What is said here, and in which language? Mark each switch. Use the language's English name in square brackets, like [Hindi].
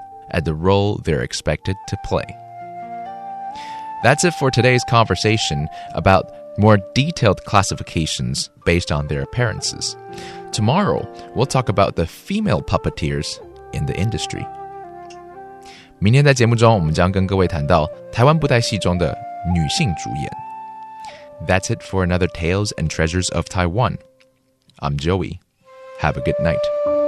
[English] At the role they're expected to play. That's it for today's conversation about more detailed classifications based on their appearances. Tomorrow, we'll talk about the female puppeteers in the industry. [Chinese] 明天在节目中，我们将跟各位谈到台湾布袋戏中的女性主演。 [English] That's it for another Tales and Treasures of Taiwan. I'm Joey. Have a good night.